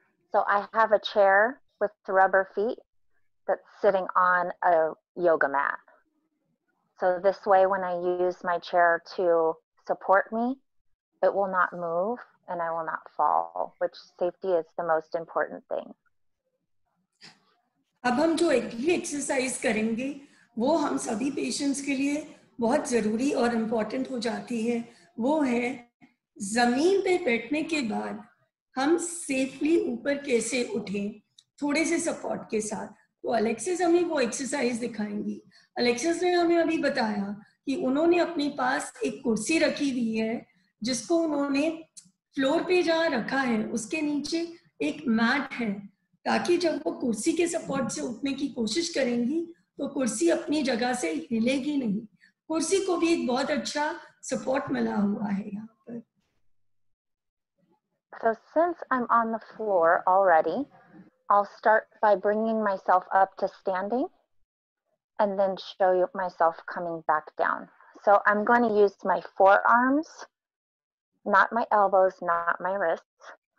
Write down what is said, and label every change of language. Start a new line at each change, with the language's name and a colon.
English: So I have a chair with rubber feet that's sitting on a yoga mat. So this way, when I use my chair to support me, it will not move and I will not fall, which safety is the most important thing.
Hindi: अब हम जो एक भी exercise करेंगे वो हम सभी patients के लिए बहुत जरूरी और इम्पोर्टेंट हो जाती है वो है जमीन पे बैठने के बाद हम सेफली ऊपर कैसे उठें थोड़े से सपोर्ट के साथ तो अलेक्सिस हमें वो एक्सरसाइज दिखाएंगी अलेक्सिस ने हमें अभी बताया कि उन्होंने अपने पास एक कुर्सी रखी हुई है जिसको उन्होंने फ्लोर पे जा रखा है उसके नीचे एक मैट है ताकि जब वो कुर्सी के सपोर्ट से उठने की कोशिश करेंगी तो कुर्सी अपनी जगह से हिलेगी नहीं कुर्सी को भी एक बहुत अच्छा सपोर्ट मिला हुआ है यहाँ पर
English: So since I'm on the floor already, I'll start by bringing myself up to standing and then show you myself coming back down. So I'm going to use my forearms, not my elbows, not my wrists.